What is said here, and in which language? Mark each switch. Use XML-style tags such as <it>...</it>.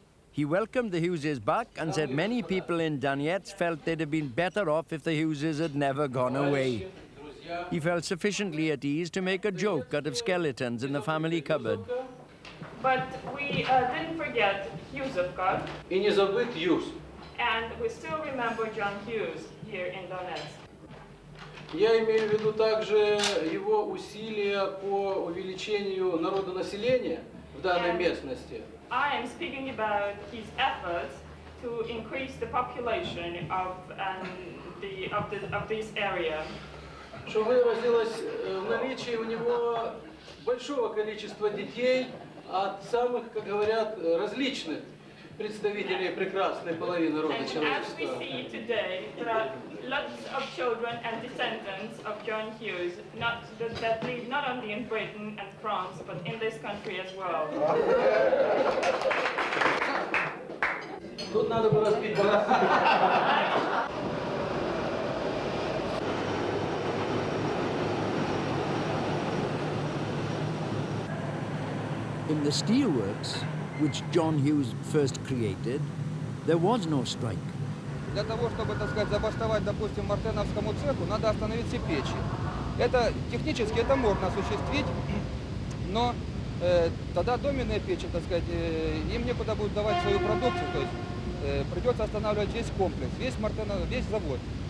<en>He welcomed the Hugheses back and said many people in Donetsk felt they'd have been better off if the Hugheses had never gone away. He felt sufficiently at ease to make a joke out of skeletons in the family cupboard. But we didn't forget Hughesovka.</en> <ru>И не забыт Hughes.</ru> <en>And we still remember John Hughes here in Donetsk.</en> <ru>Я имею в виду также его усилия по увеличению народонаселения в данной местности.</ru> <en>I am speaking about his efforts to increase the population of this area.</en> <ru>Что выразилось в наличии у него большого количества детей от самых, как говорят, различных представителей прекрасной половины рода человечества.</ru> <en>And as we see today, there are lots of children and descendants of John Hughes, not that, that live not only in Britain and France, but in this country as well.</en> <ru>Тут надо бы разбить брат.</ru> <en>In the steelworks, which John Hughes first created, there was no strike.</en> <ru>Для того, чтобы, так сказать, забастовать, допустим, мартеновскому цеху, надо остановить все печи. Это технически это можно осуществить, но тогда доменные печи, так сказать, им некуда будет давать свою продукцию, то есть придется останавливать весь комплекс, весь мартенов, весь завод.</ru>